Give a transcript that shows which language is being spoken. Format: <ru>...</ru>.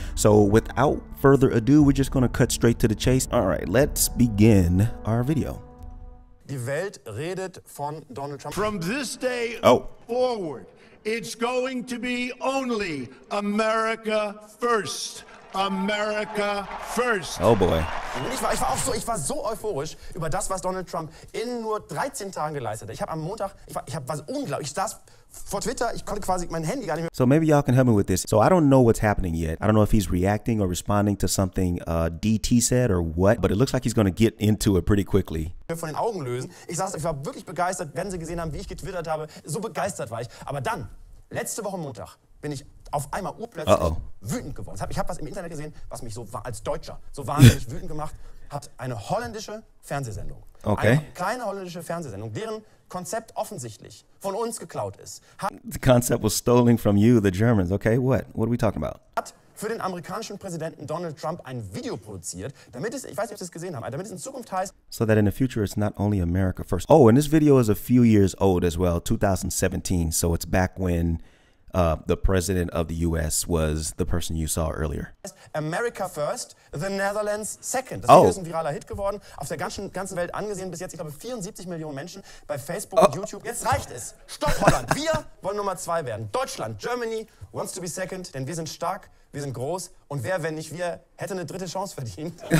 <en>So without further ado, we're just going to cut straight to the chase. All right, let's begin our video.</en> <de>Die Welt redet von Donald Trump.</de> <en>From this day forward, it's going to be only America First. America First. Oh boy.</en> <de>Ich war so euphorisch über das, was Donald Trump in nur 13 Tagen geleistet hat. Ich habe am Montag, ich war unglaublich. Ich saß vor Twitter, ich konnte quasi mein Handy gar nicht mehr.</de> <en>So maybe y'all can help me with this. So I don't know what's happening yet. I don't know if he's reacting or responding to something DT said or what, but it looks like he's going to get into it pretty quickly.</en> <de>Von den Augen lösen. Ich war wirklich begeistert, wenn sie gesehen haben, wie ich getwittert habe. So begeistert war ich. Aber dann, letzte Woche Montag, bin ich auf einmal urplötzlich wütend geworden. Ich hab was im Internet gesehen, was mich so als Deutscher so wahnsinnig wütend gemacht hat. Eine holländische Fernsehsendung. Okay. Eine kleine holländische Fernsehsendung, deren Konzept offensichtlich von uns geklaut ist.</de> <en>The concept was stolen from you, the Germans. Okay, what? What are we talking about?</en> <de>Hat für den amerikanischen Präsidenten Donald Trump ein Video produziert, damit es, ich weiß nicht, ob Sie es gesehen haben, damit es in Zukunft heißt.</de> <en>So that in the future it's not only America First. Oh, and this video is a few years old as well, 2017. So it's back when the president of the U.S. was the person you saw earlier. America First, the Netherlands Second.</en> <de>Das Video ist ein viraler Hit geworden, auf der ganzen Welt angesehen bis jetzt. Ich glaube, 74 Millionen Menschen bei Facebook und YouTube. Jetzt reicht es. Stopp, Holland. Wir wollen Nummer zwei werden. Deutschland, Germany wants to be second, denn wir sind stark, wir sind groß. Und wer, wenn nicht wir, hätte eine dritte Chance verdient.</de>